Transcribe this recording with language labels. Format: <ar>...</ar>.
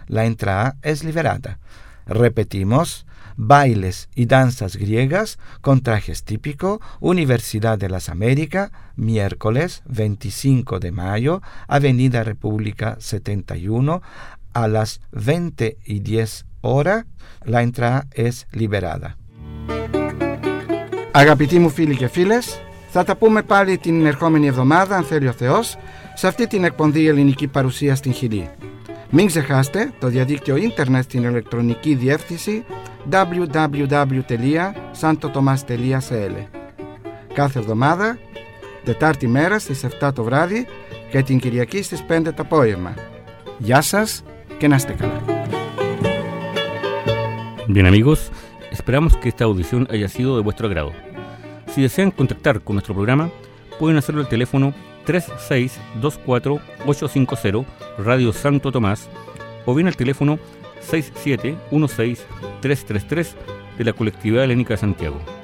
<es>La entrada es liberada. Repetimos, bailes y danzas griegas con trajes típicos, Universidad de las Américas, miércoles 25 de mayo, Avenida República 71 a las 20:10 horas. La entrada es liberada.</es> <el>Αγαπητοί μου φίλοι και φίλες, θα τα πούμε πάλι την ερχόμενη εβδομάδα, αν θέλει ο Θεός, σε αυτή την εκπομπή Ελληνική Παρουσία στην Χιλή. Μην ξεχάσετε το διαδίκτυο ίντερνετ στην ηλεκτρονική διεύθυνση www.santotomas.cl. κάθε εβδομάδα, Τετάρτη μέρα στις 7 το βράδυ και την Κυριακή στις 5 το απόγευμα. Γεια σας και να είστε καλά.</el> <es>Bien amigos, esperamos que esta audición haya sido de vuestro agrado. Si desean contactar con nuestro programa, pueden hacerlo al teléfono 3624-850 Radio Santo Tomás o bien al teléfono 6716-333 de la Colectividad Helénica de Santiago.</es>